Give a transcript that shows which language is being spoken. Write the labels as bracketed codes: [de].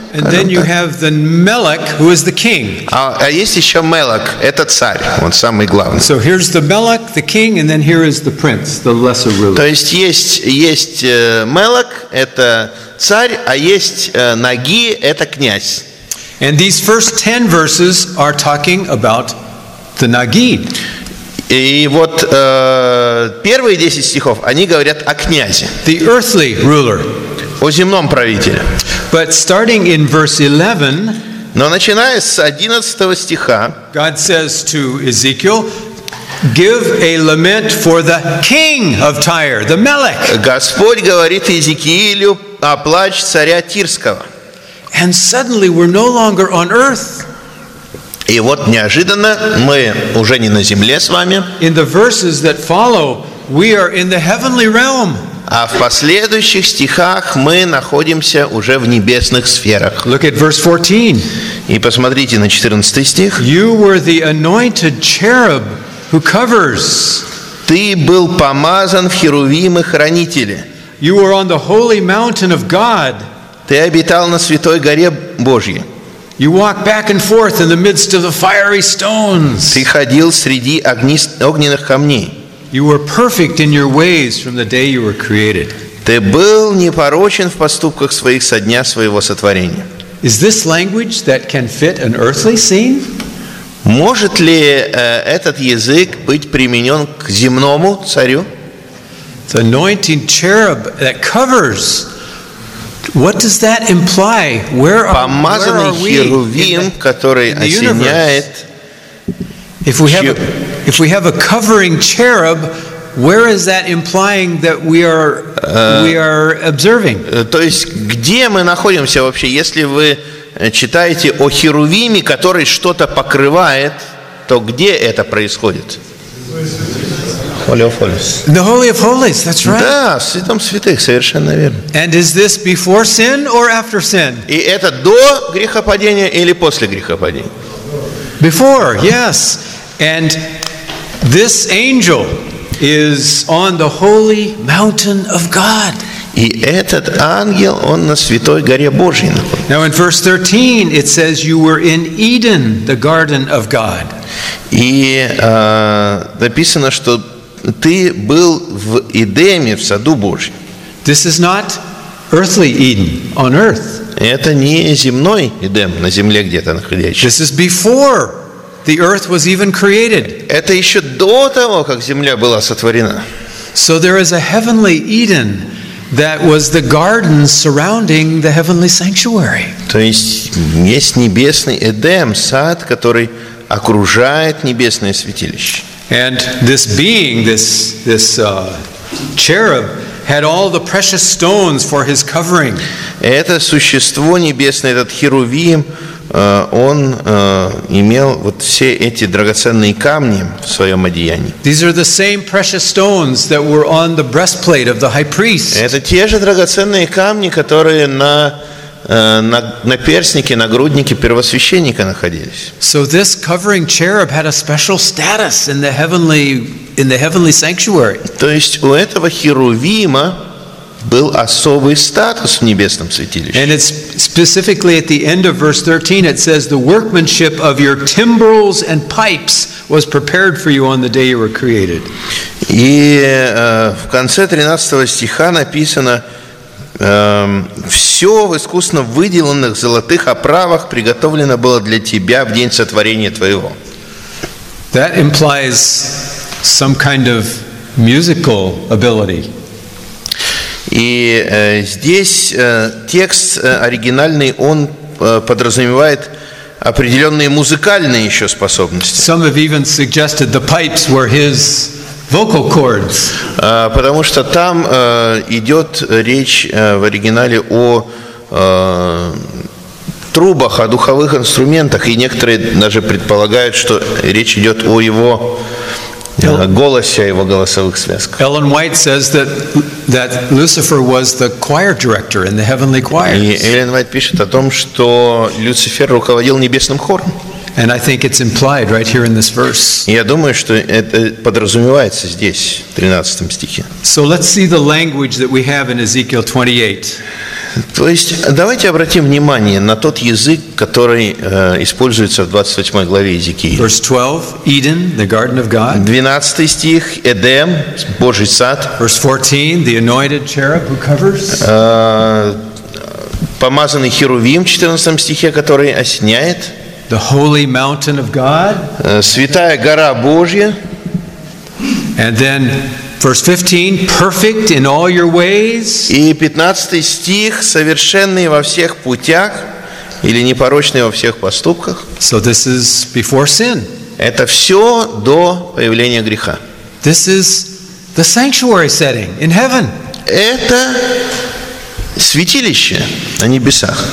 [en] And then you have the Melech, who is the king. [ru] А есть еще Мелех, это царь, он самый главный. [en] So here's the Melech, the king, and then here is the prince, the lesser ruler. [ru] То есть есть Мелех, это царь, а есть Наги, это князь. [en] And these first 10 verses are talking about the Nagi. [ru] И вот первые 10 стихов, они говорят о князе. [en] The earthly ruler. [ru] О земном правителе. [en] But starting in verse 11, [ru] но начиная с 11 стиха, [en] God says to Ezekiel, give a lament for the king of Tyre, the Melech. [ru] Господь говорит Иезекиилю о плач царя Тирского. [en] And suddenly we're no longer on earth. [ru] И вот неожиданно мы уже не на земле с вами. [en] In the verses that follow, we are in the heavenly realm. [ru] А в последующих стихах мы находимся уже в небесных сферах. [en] Look at verse 14. [ru] И посмотрите на 14 стих. [en] You were the anointed cherub who covers. [ru] Ты был помазан в херувимы хранители. [en] You were on the holy mountain of God. [ru] Ты обитал на святой горе Божьей. [en] You walk back and forth in the midst of the fiery stones. [ru] Ты ходил среди огненных камней. [en] You were perfect in your ways from the day you were created. [ru] Ты был непорочен в поступках своих со дня своего сотворения. [en] Is this language that can fit an earthly scene? [ru] Может ли этот язык быть применен к земному царю? [en] The anointing cherub that covers. What does that imply? Where are we? [ru] Помазанный херувим, который осеняет. [en] If we have a covering cherub, where is that implying that we are observing? [ru] То есть где мы находимся вообще, если вы читаете о херувиме, который что-то покрывает, то где это происходит? [en] Holy of Holies. The Holy of Holies, that's right. [ru] Да, в святом святых, совершенно верно. [en] And is this before sin or after sin? [ru] И это до грехопадения или после грехопадения? [en] Before, yes. And this angel is on the holy mountain of God. [ru] И этот ангел, он на святой горе Божьей. [en] Now in verse 13 it says you were in Eden, the garden of God. [ru] И написано, что ты был в Эдеме, в саду Божьем. [en] This is not earthly Eden on earth. [ru] Это не земной Эдем на земле где-то находящийся. [en] This is before the earth was even created. [ru] Это еще до того, как земля была сотворена. [en] So there is a heavenly Eden that was the garden surrounding the heavenly sanctuary. [ru] То есть есть небесный Эдем, сад, который окружает небесное святилище. [en] And this being, this cherub, had all the precious stones for his covering. [ru] Это существо небесное, этот херувим. Он имел вот все эти драгоценные камни в своем одеянии. [en] These are the same precious stones that were on the breastplate of the high priest. [ru] Это те же драгоценные камни, которые на перстнике, на груднике первосвященника находились. [en] So this covering cherub had a special status in the heavenly sanctuary. [ru] То есть у этого херувима был особый статус в небесном святилище. [en] And it's specifically at the end of verse 13, it says the workmanship of your timbrels and pipes was prepared for you on the day you were created. [ru] И в конце 13 стиха написано, все в искусно выделанных золотых оправах приготовлено было для тебя в день сотворения твоего. [en] That implies some kind of musical ability. [ru] И здесь текст оригинальный, он подразумевает определенные музыкальные еще способности. [en] Some have even suggested the pipes were his vocal cords. [ru] Потому что там идет речь в оригинале о трубах, о духовых инструментах, и некоторые даже предполагают, что речь идет о его голосе, его голосовых связках. [en] Эллен Уайт says that Lucifer was the choir director in the heavenly choirs. [ru] И Эллен Уайт пишет о том, что Люцифер руководил небесным хором. [en] And I think it's implied right here in this verse. [ru] Я думаю, что это подразумевается здесь, в 13 стихе. [en] So let's see the language that we have in Ezekiel 28. [ru] То есть давайте обратим внимание на тот язык, который используется в 28 главе Иезекииля. [en] Verse 12, Eden, the garden of God. [ru] 12 стих, Эдем, Божий сад. [en] Verse 14, the anointed cherub who covers. [ru] Помазанный херувим в 14 стихе, который осеняет. [en] The holy mountain of God. [ru] Святая гора Божья. [en] And then verse 15, perfect in all your ways. [ru] И 15 стих, совершенный во всех путях или непорочный во всех поступках. [en] So this is before sin. [ru] Это все до появления греха. [en] This is the sanctuary setting in heaven. [ru] Это святилище на небесах.